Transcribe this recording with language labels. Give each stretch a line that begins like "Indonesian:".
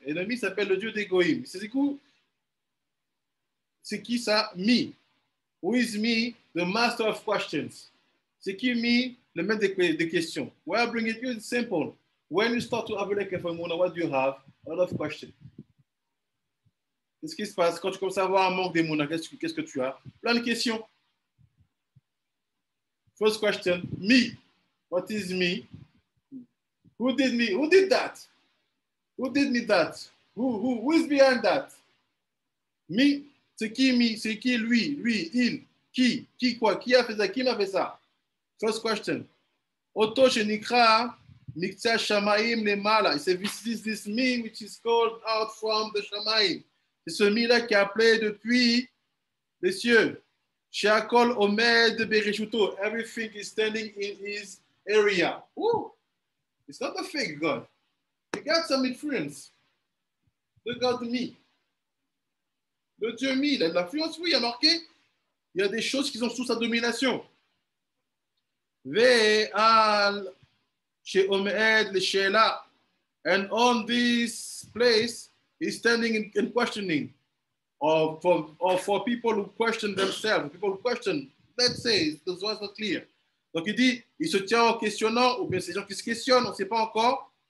French: And the me s'appelle le Dieu des Goyim. C'est qui ça?
English: Me. Who is me? The master of questions.
French: C'est qui me? Le maître des questions.
English: Why I bring it to you? It's simple. When you start to have a lekef emunah, what do you have? A lot of questions.
French: Qu'est-ce qui se passe? Quand tu commences à avoir un manque d'emunah, qu'est-ce que tu as? Plein de questions.
English: First question, me. What is me? Who did me? Who did that? Who did me that? Who is behind that?
French: Me? C'est qui me? C'est qui lui? Lui? Il? Qui? Qui quoi? Qui a fait ça? Qui m'a fait ça?
English: First question.
Hebrew: Oto shenikra mikta shamaim lemala.
English: He said, this me which is called out from the shamaim.
French: C'est ce me-là qui a appelé depuis les cieux.
Hebrew: Shakol omed bereshuto.
English: Everything is standing in his area. Ooh, it's not a fake God. He got some influence. The God me.
French: Le Dieu me. Il a de l'influence, oui, il y a marqué. Il y a des choses qui sont sous sa domination.
Hebrew: Ve al she omed le shela.
English: And on this place, he's standing in questioning. Or for people who question themselves, people who question, let's say, the voice is not clear.
French: Donc il dit, il se tient en questionnant, ou bien ces gens qui se questionnent, on ne sait pas encore.